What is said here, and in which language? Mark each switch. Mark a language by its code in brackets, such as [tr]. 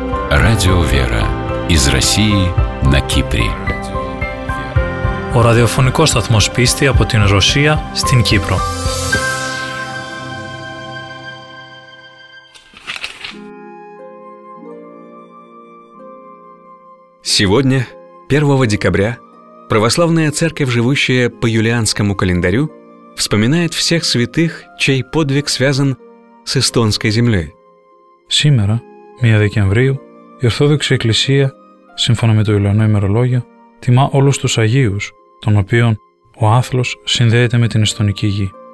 [ru] Радио Вера из России на Кипре. [el] Ο ραδιοφωνικός σταθμός πίστη από την Ρωσία στην Κύπρο. [ru] Сегодня, 1 декабря, православная церковь, живущая по юлианскому календарю, вспоминает всех святых, чей подвиг связан с эстонской землей. Сегодня, 1 декабря, [el] η Ορθόδοξη Εκκλησία, σύμφωνα με το Ιουλιανό ημερολόγιο, τιμά όλους τους Αγίους, των οποίων ο άθλος συνδέεται με την Εστονική γη.